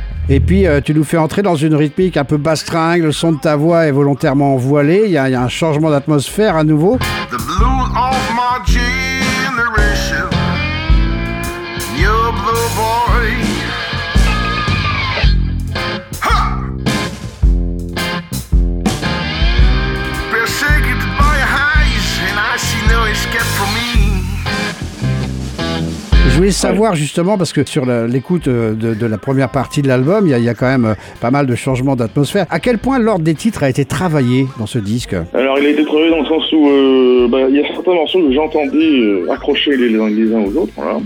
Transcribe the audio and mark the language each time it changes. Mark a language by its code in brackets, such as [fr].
[fr] Et puis, tu nous fais entrer dans une rythmique un peu basse-tringue, le son de ta voix est volontairement voilé, il y a un changement d'atmosphère à nouveau. [en] The blue of my generation, your blue boy. Ha! Persecuted by highs, and I see no escape from me. [fr] Je voulais savoir justement, parce que sur l'écoute de la première partie de l'album, il y a quand même pas mal de changements d'atmosphère. À quel point l'ordre des titres a été travaillé dans ce disque? Alors il a été travaillé dans le sens où il y a certains morceaux que j'entendais accrocher les uns aux autres. Voilà.